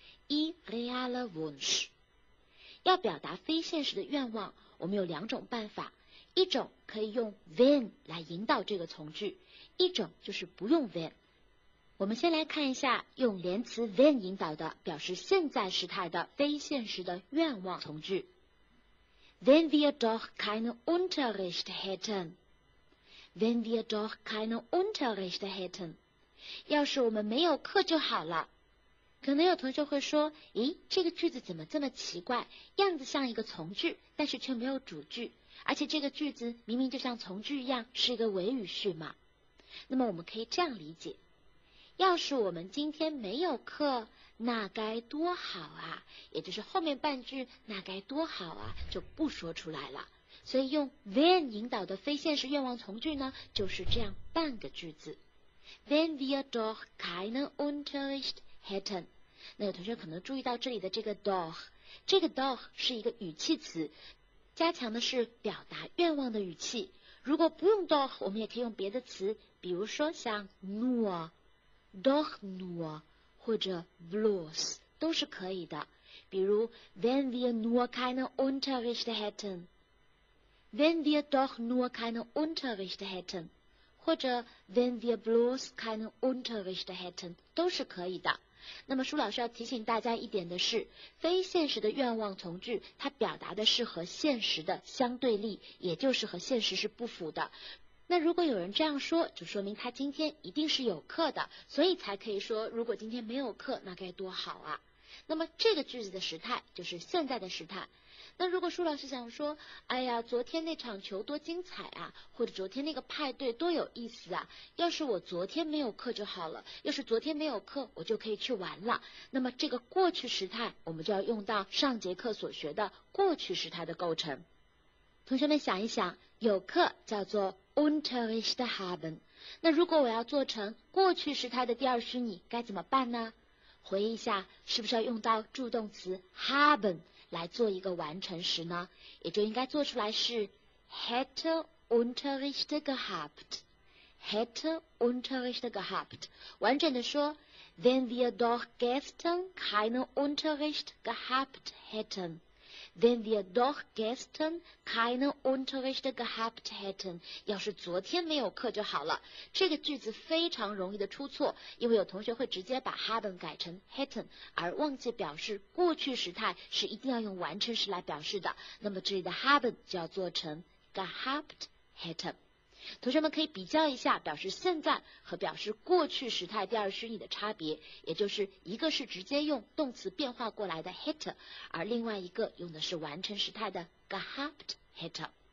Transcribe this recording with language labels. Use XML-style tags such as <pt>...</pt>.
<de>irreale Wunsch，</de> <zh>要表达非现实的愿望，我们有两种办法，一种可以用 wenn 来引导这个从句，一种就是不用 wenn。我们先来看一下用连词 wenn 引导的表示现在时态的非现实的愿望从句。</zh> <de>Wenn wir doch keinen Unterricht hätten， Wenn wir doch keinen Unterricht hätten，</de> <zh>要是我们没有课就好了。可能有同学会说，咦，这个句子怎么这么奇怪，样子像一个从句，但是却没有主句，而且这个句子明明就像从句一样是一个谓语序嘛。那么我们可以这样理解，要是我们今天没有课那该多好啊，也就是后面半句那该多好啊就不说出来了。所以用 wenn 引导的非现实愿望从句呢，就是这样半个句子。</zh> <de>Wenn wir doch keinen Unterricht hätten，</de> <zh>那有同学可能注意到这里的这个 doch， 这个 doch 是一个语气词，加强的是表达愿望的语气。如果不用 doch， 我们也可以用别的词，比如说像 nur， doch nur， 或者 bloß 都是可以的。比如</zh> <de>wenn wir nur keinen Unterricht hätten， wenn wir doch nur keinen Unterricht hätten，</de> <zh>或者</zh> <de>wenn wir bloß keinen Unterricht hätten，</de> <zh>都是可以的。那么舒老师要提醒大家一点的是，非现实的愿望从句它表达的是和现实的相对立，也就是和现实是不符的。那如果有人这样说，就说明他今天一定是有课的，所以才可以说如果今天没有课那该多好啊。那么这个句子的时态就是现在的时态。那如果舒老师想说，哎呀，昨天那场球多精彩啊，或者昨天那个派对多有意思啊，要是我昨天没有课就好了，要是昨天没有课我就可以去玩了，那么这个过去时态我们就要用到上节课所学的过去时态的构成。同学们想一想，有课叫做</zh> <de>Unterricht haben，</de> <zh>那如果我要做成过去时态的第二虚拟该怎么办呢？回忆一下，是不是要用到助动词 haben 来做一个完成时呢？也就应该做出来是</zh> <de>hätte Unterricht gehabt， hätte Unterricht gehabt.</de> <zh>完整的说</zh> <de>wenn wir doch gestern keinen Unterricht gehabt hätten. Wenn wir doch gestern keinen Unterricht gehabt hätten.</de> <zh>要是昨天没有课就好了。这个句子非常容易的出错，因为有同学会直接把 haben 改成 hätten， 而忘记表示过去时态是一定要用完成时来表示的。那么这里的 haben 就要做成 gehabt hätten。同学们可以比较一下表示现在和表示过去时态第二虚拟的差别，也就是一个是直接用动词变化过来的 hätte， 而另外一个用的是完成时态的 gehabt hätte。</zh>